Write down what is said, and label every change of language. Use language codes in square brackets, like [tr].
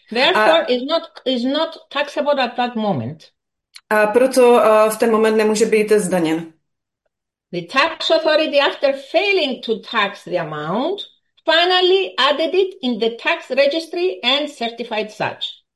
[en] Therefore, is not taxable at that moment. [cs] proto v ten moment nemůže být zdaněn. [en] The tax authority, after failing to tax the amount, finally added it in the tax registry and certified such.